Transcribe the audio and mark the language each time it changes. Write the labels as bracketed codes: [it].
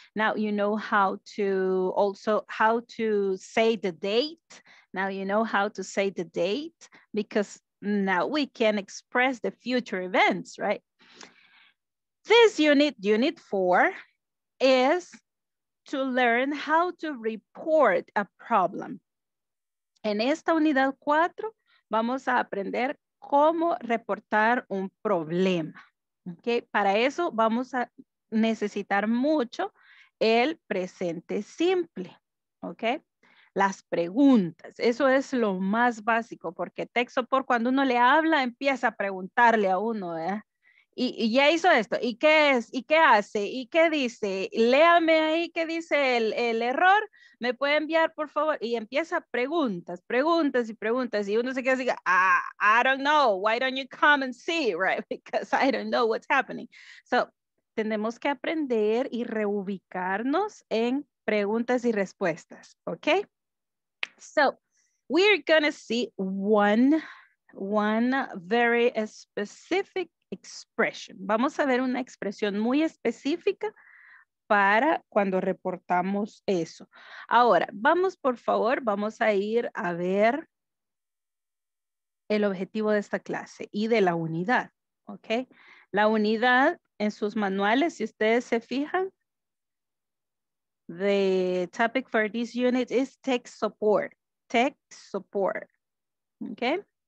[en] Now you know how to also how to say the date. Now you know how to say the date, because now we can express the future events, right? This unit 4, is to learn how to report a problem. [es] En esta unidad 4, vamos a aprender cómo reportar un problema. Okay, para eso vamos a necesitar mucho el presente simple. Okay, las preguntas. Eso es lo más básico, porque texto por cuando uno le habla, empieza a preguntarle a uno, ¿eh? Y ya hizo esto. ¿Y qué es? ¿Y qué hace? ¿Y qué dice? Léame ahí qué dice el error. ¿Me puede enviar, por favor? Y empieza preguntas. Y uno se queda así, [en] I don't know. Why don't you come and see, right? Because I don't know what's happening. [es] So, tenemos que aprender y reubicarnos en preguntas y respuestas. [en] Okay? So, we're gonna see one very specific expression. [es] Vamos a ver una expresión muy específica para cuando reportamos eso. Ahora, vamos por favor, vamos a ir a ver el objetivo de esta clase y de la unidad, ¿ok? La unidad en sus manuales, si ustedes se fijan, [en] the topic for this unit is tech support, [es] ¿ok?